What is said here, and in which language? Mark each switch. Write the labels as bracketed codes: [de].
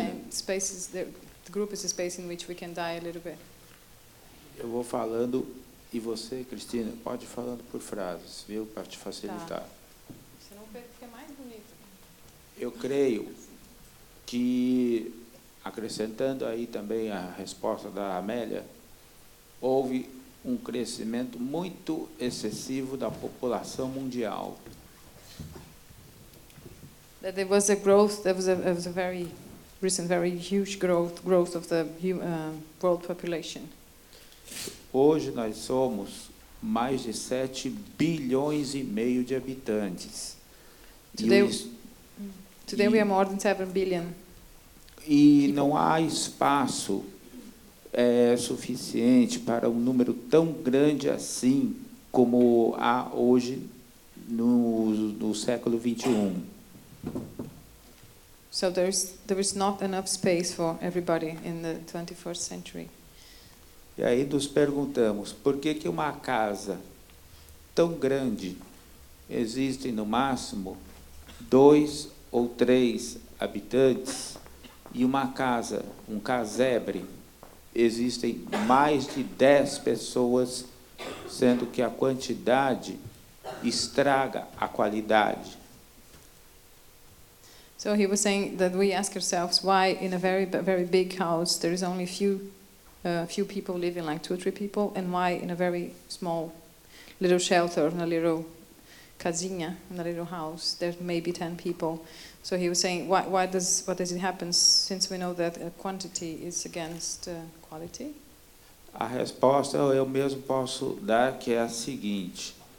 [en] Spaces, the group is a space in which we can die a little bit. [pt] Eu vou falando e você, Cristina, pode ir falando por frases, viu, para te facilitar. Tá. Senão fica mais bonito. Eu creio que, acrescentando aí também a resposta da Amélia, houve um crescimento muito excessivo da população mundial. [en] That there was a growth, there was a very recent, very huge growth of the world population. [pt] Hoje nós somos mais de 7 bilhões e meio de habitantes. [en] Today we are more than 7 billion. [pt] E não há espaço suficiente para um número tão grande assim como há hoje no século 21. [en] So there is not enough space for everybody in the 21st century. [pt] E aí nos perguntamos, por que que uma casa tão grande existe no máximo 2 ou 3 habitantes e uma casa, um casebre, existem mais de 10 pessoas, sendo que a quantidade estraga a qualidade. [en] So he was saying that we ask ourselves why in a very, very big house there is only few people living, like 2 or 3 people, and why in a very small little shelter, in a little casinha, in a little house, there's maybe 10 people. So he was saying, why does it happen, since we know that quantity is against quality? [pt] A resposta eu mesmo posso dar, que é a seguinte.